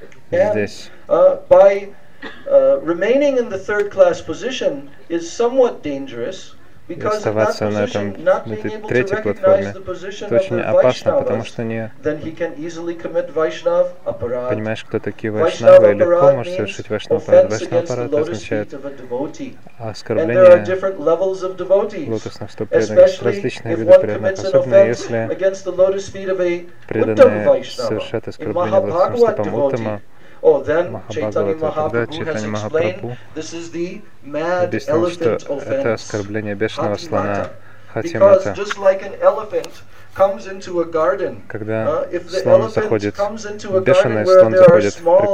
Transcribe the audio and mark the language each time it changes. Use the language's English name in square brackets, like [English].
[English] And by remaining in the third class position is somewhat dangerous because of that position, not being able to recognize the position of the Vaishnavas, then he can easily commit Vaishnav aparad. [Russian] Понимаешь, кто такие Вайшнавы, легко может совершить Вайшнавапарад. Вайшнавапарад означает оскорбление лотосных стоп преданных, различные виды преданных, особенно если преданные совершают оскорбление лотосным стопам Уттама. [English] Oh, then Chaitanya Mahaprabhu has explained, this is the mad elephant offense, [Sanskrit] Хатимата. [English] Because just like an elephant comes into a garden, if the elephant comes into a garden where there are small